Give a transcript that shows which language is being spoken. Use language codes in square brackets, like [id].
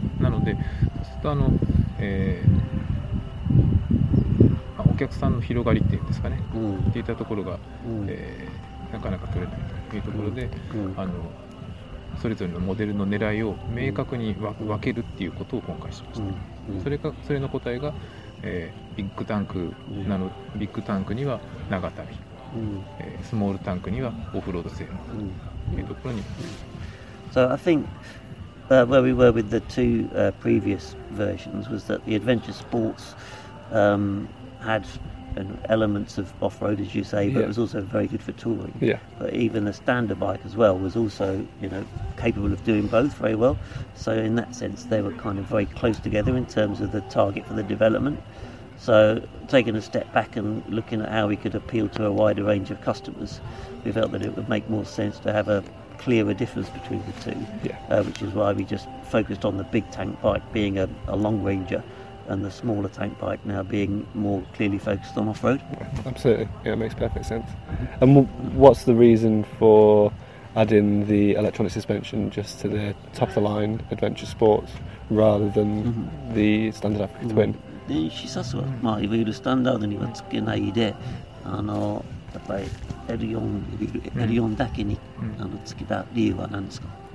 [ja] なのでそうするとあの、お客さんの広がりっていうんですかね、っていったところが、なかなか取れないというところで、あのそれぞれのモデルの狙いを明確に分けるっていうことを今回しました。それか、それの答えが、ビッグタンクなの、ビッグタンクには長旅、スモールタンクにはオフロード性能というところに。 [en] So I think where we were with the two previous versions was that the adventure sports had elements of off-road, as you say, but it was also very good for touring. Yeah. But even the standard bike as well was also, you know, capable of doing both very well. So in that sense, they were kind of very close together in terms of the target for the development. So taking a step back and looking at how we could appeal to a wider range of customers, we felt that it would make more sense to have a clearer difference between the two, which is why we just focused on the big tank bike being a long ranger and the smaller tank bike now being more clearly focused on off-road. Absolutely, yeah, it makes perfect sense. And what's the reason for adding the electronic suspension just to the top-of-the-line adventure sports rather than the standard Africa Twin? [ja] The シサスは、まあ、いわゆるスタンダードにはつけないで、あの、やっぱりL4 だけに、あの、つけた理由は何ですか？